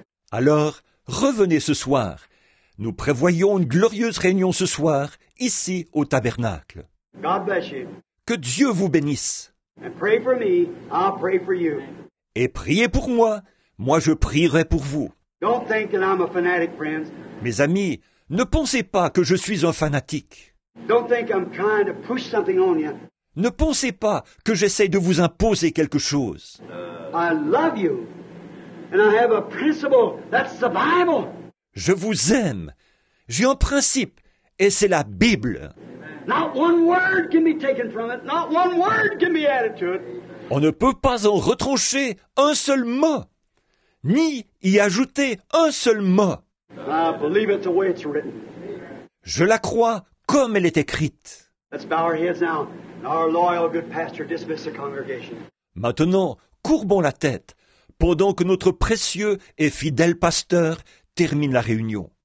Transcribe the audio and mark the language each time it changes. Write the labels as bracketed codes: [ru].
[fr] Alors, revenez ce soir. Nous prévoyons une glorieuse réunion ce soir, ici au tabernacle. [en] God bless you. [fr] Que Dieu vous bénisse. [en] And pray for me, I'll pray for you. [fr] Et priez pour moi, moi je prierai pour vous. [en] Don't think that I'm a fanatic, friends. [fr] Mes amis, ne pensez pas que je suis un fanatique. [en] Don't think I'm trying to push something on you. [fr] Ne pensez pas que j'essaye de vous imposer quelque chose. [en] I love you, and I have a principle, that's the Bible. [fr] Je vous aime, j'ai un principe, et c'est la Bible. [en] Not one word can be taken from it. Not one word can be added to it. [fr] On ne peut pas en retrancher un seul mot, ni y ajouter un seul mot. [en] I believe it the way it's written. [fr] Je la crois comme elle est écrite. [en] Let's bow our heads now, and our loyal good pastor dismiss the congregation. [fr] Maintenant, courbons la tête, pendant que notre précieux et fidèle pasteur termine la réunion.